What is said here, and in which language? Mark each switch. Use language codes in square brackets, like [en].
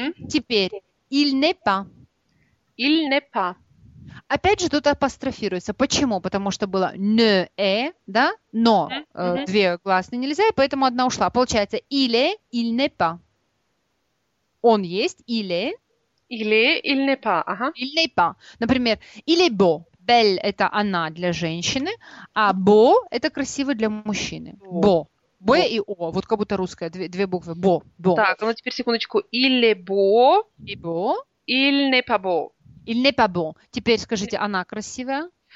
[ru] Теперь [fr] il n'est pas. Il n'est pas. [ru] Опять же, тут апострофируется. Почему? Потому что было ne, e, да? Но две гласные нельзя, и поэтому одна ушла. Получается, или, [fr] il n'est pas. [ru] Он есть, или. Или, [fr] il n'est pas. [ru] Ага. [fr] Il n'est pas. [ru] Например, [fr] il est beau. [ru] Belle – это она для женщины, а beau – это красиво для мужчины. [fr] Beau. Beau. Beau. Б и О. [ru] Вот как будто русское, две буквы. [fr] Beau. Beau. [ru] Так, ну теперь секундочку. [fr] Il est beau. Il est beau. Il n'est pas beau. Il n'est pas bon. [ru] Теперь скажите, она красивая?